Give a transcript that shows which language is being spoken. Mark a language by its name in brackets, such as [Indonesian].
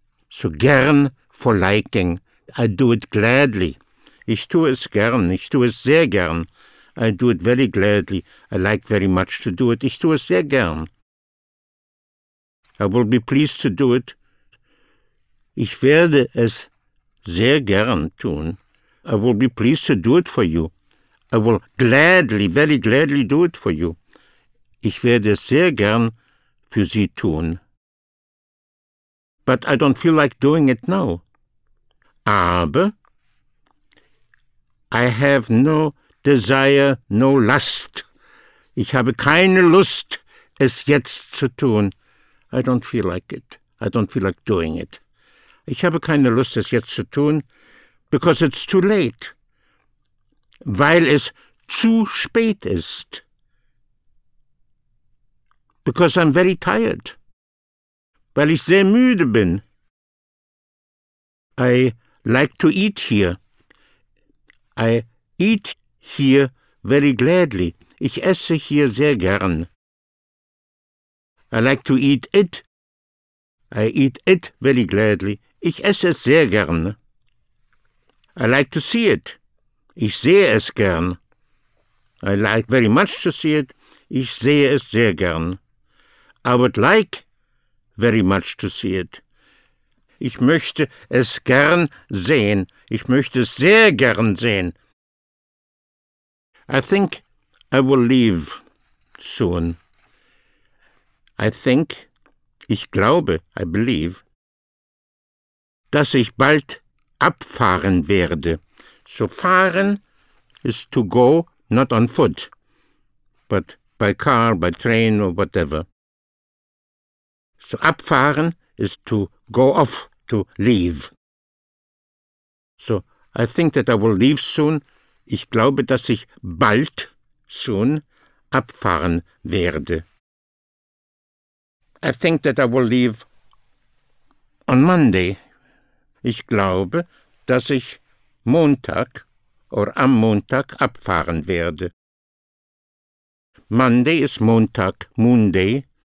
[English] So gern for liking. I do it gladly. [German] Ich tue es gern. Ich tue es sehr gern. [English] I do it very gladly. I like very much to do it. [German] Ich tue es sehr gern. [English] I will be pleased to do it. [German] Ich werde es sehr gern tun. [English] I will be pleased to do it for you. I will gladly, very gladly do it for you. [German] Ich werde es sehr gern für Sie tun. [English] But I don't feel like doing it now. Aber I have no desire, no lust. [German] Ich habe keine Lust, es jetzt zu tun. [English] I don't feel like it. I don't feel like doing it. [German] Ich habe keine Lust, es jetzt zu tun, [English] because it's too late. [German] Weil es zu spät ist. [English] Because I'm very tired. [German] Weil ich sehr müde bin. [English] I like to eat here. I eat here very gladly. [German] Ich esse hier sehr gern. [English] I like to eat it. I eat it very gladly. [German] Ich esse es sehr gern. [English] I like to see it. [German] Ich sehe es gern. [English] I like very much to see it. [German] Ich sehe es sehr gern. [English] I would like very much to see it. [German] Ich möchte es gern sehen. Ich möchte es sehr gern sehen. [English] I think I will leave soon. I think, [German] ich glaube, [English] I believe, [German] dass ich bald abfahren werde. [English] So fahren is to go, not on foot, but by car, by train, or whatever. So abfahren is to go off, to leave. So I think that I will leave soon. [German] Ich glaube, dass ich bald, soon, abfahren werde. [English] I think that I will leave on Monday. [German] Ich glaube, dass ich Montag oder am Montag abfahren werde. [English] Monday ist Montag, Monday.